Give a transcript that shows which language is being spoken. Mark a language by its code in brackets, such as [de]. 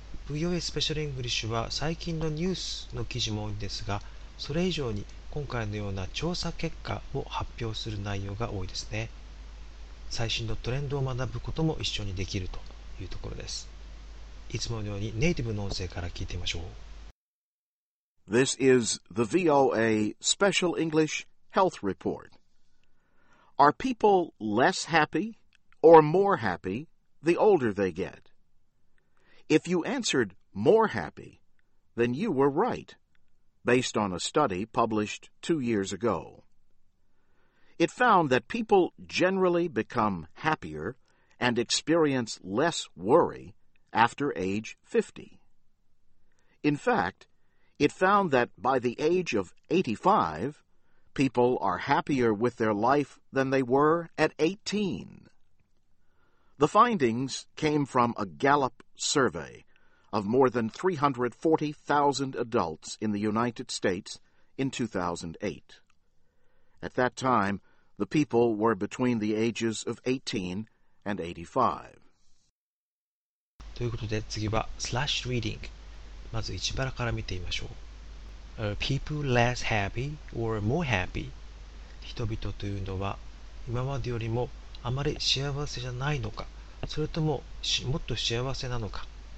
[ja] VOA スペシャルイングリッシュは最近のニュースの記事も多いんですが、それ以上に今回のような調査結果を発表する内容が多いですね。最新のトレンドを学ぶことも一緒にできるというところです。いつものようにネイティブの音声から聞いてみましょう。 [en] This is the VOA Special English Health Report. Are people less happy or more happy the older they get? If you answered more happy, then you were right, based on a study published 2 years ago. It found that people generally become happier and experience less worry after age 50. In fact, it found that by the age of 85, people are happier with their life than they were at 18. The findings came from a Gallup survey of more than 340,000 adults in the United States in 2008. At that time,The people were between the ages of 18 and 85. [ja] ということで次はスラッシュリーディング。まず1パラから見てみましょう。 [en] Are people less happy or more happy? [ja] 人々というのは今までよりもあまり幸せじゃないのか、それとももっと幸せなのか。